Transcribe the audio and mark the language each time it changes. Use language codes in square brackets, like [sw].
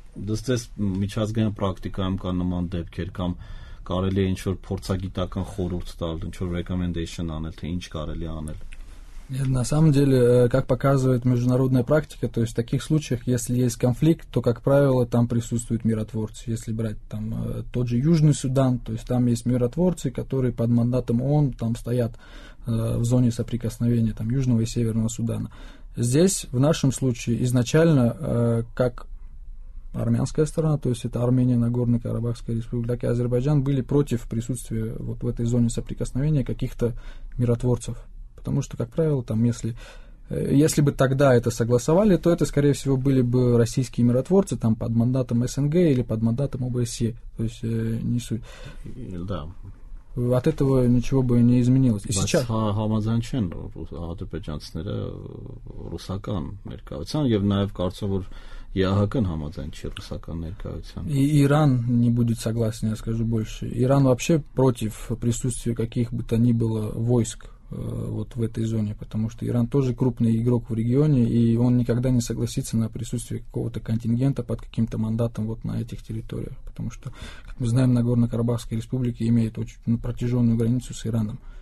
[hy] դստես միջազգային պրակտիկայում կան նման դեպքեր, կամ կարելի է ինչ-որ փորձագիտական խորհուրդ տալ, ինչ-որ recommendation անել, թե ինչ կարելի անել? [ru] Нет, на самом деле, как показывает международная практика, то есть в таких случаях, если есть конфликт, то, как правило, там присутствуют миротворцы. Если брать там тот же Южный Судан, то есть там есть миротворцы, которые под мандатом ООН там стоят в зоне соприкосновения там Южного и Северного Судана. Здесь, в нашем случае, изначально, как армянская сторона, то есть это Армения, Нагорно-Карабахская республика, так и Азербайджан, были против присутствия вот в этой зоне соприкосновения каких-то миротворцев. Потому что, как правило, там, если бы тогда это согласовали, то это, скорее всего, были бы российские миротворцы там, под мандатом СНГ или под мандатом ОБСЕ. То есть не суть. Да. От этого ничего бы не изменилось. И сейчас... [hy] Համաձայնչեն ադրբեջանցները ռուսական ներկայության և նաև կարծում որ ԵԱՀԿ-ն համաձայն չի ռուսական ներկայության։ [ru] Իրան не будет согласен, я скажу больше. Иран вообще против присутствия каких бы то ни было войск вот в этой зоне, потому что Иран тоже крупный игрок в регионе, и он никогда не согласится на присутствие какого-то контингента под каким-то мандатом вот на этих территориях, потому что, как мы знаем, Нагорно-Карабахская республика имеет очень протяженную границу с Ираном.